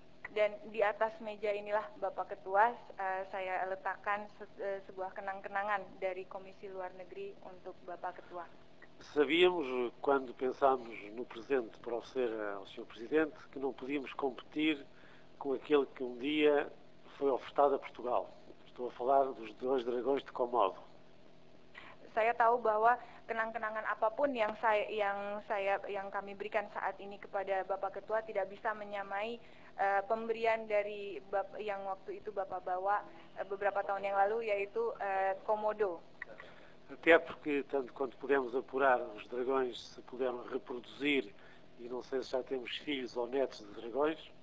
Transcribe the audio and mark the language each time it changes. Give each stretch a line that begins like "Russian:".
Indonesian: Dan di atas meja inilah, Bapak Ketua, saya letakkan sebuah kenang-kenangan dari Komisi Luar Negeri untuk Bapak Ketua.
Portuguese: Sabíamos, quando pensámos no presente para oferecer ao Sr. Presidente, que não podíamos competir com aquele que um dia foi ofertado a Portugal. Estou a falar dos 2 dragões de Komodo.
Indonesian: Saya tahu bahwa kenang-kenangan apapun yang kami berikan saat ini kepada Bapak Ketua tidak bisa menyamai pemberian dari yang waktu itu Bapak bawa beberapa tahun yang lalu, yaitu Komodo.
Portuguese: Até porque, tanto quanto pudemos apurar, os dragões se puderam reproduzir, e não sei se já temos filhos ou netos de dragões.